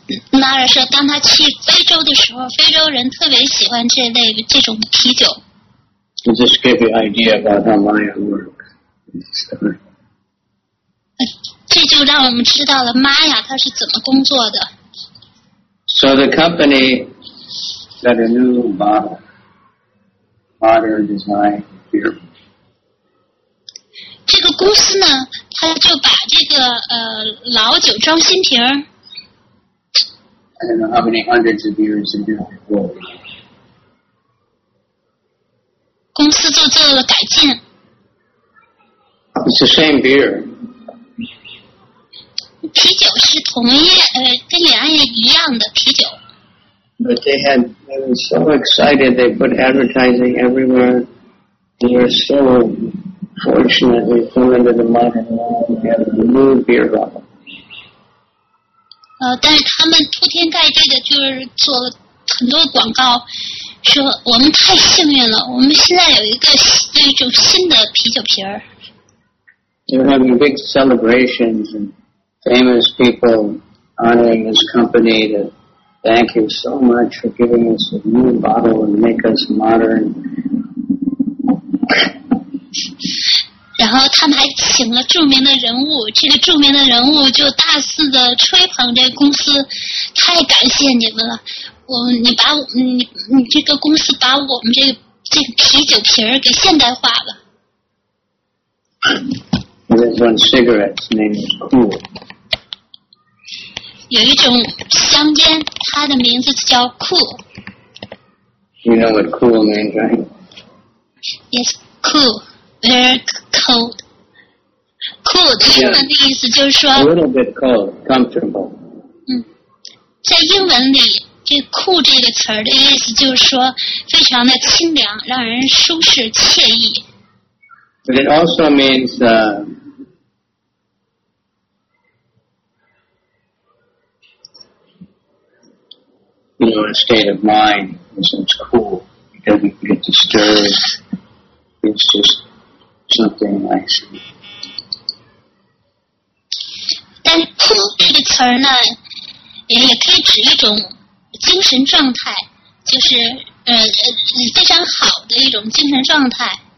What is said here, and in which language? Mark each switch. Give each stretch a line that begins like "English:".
Chinese: 拉尔说，当他去非洲的时候，非洲人特别喜欢这种啤酒。
English: Does this give you an idea about how Maya works?
Chinese: 这就让我们知道了 Maya 他是怎么工作的。
English: So the company got a new bottle, modern design beer.
Chinese: 这个公司呢，他就把这个老酒装新瓶。
English: I don't know how many hundreds of years in different worlds.
Chinese: 公司就做了改进。
English: It's the same beer.
Chinese: 啤酒是同一跟原来一样的啤酒。
English: But they were so excited, they put advertising everywhere. They were so fortunate they came into the modern world and had a new beer bottle.
Chinese: 但是他们铺天盖地的就是做很多广告，说我们太幸运了，我们现在有一种新的啤酒瓶儿。
English: They're having big celebrations and famous people honoring this company to thank you so much for giving us a new bottle and make us modern.
Chinese: 然后他们还请了著名的人物，这个著名的人物就大肆的吹捧这个公司，太感谢你们了，你这个公司把我们这个这个啤酒瓶给现代化了。
English: There's one cigarette named Cool.
Chinese: 有一种香烟，它的名字叫 Cool.
English: You know what Cool means, right? Yes, cool, very cold.
Chinese: Cool 的英文的意思就是说
English: a little bit cold, comfortable.
Chinese: 嗯，在英文里。这 cool 这个词的意思就是说非常的清凉让人舒适惬意
English: But it also means you know, a state of mind it's cool it doesn't get disturbed it's just something nice
Chinese: 但 cool 这个词呢 也可以指一种精神状态就是非常好的一种精神状态。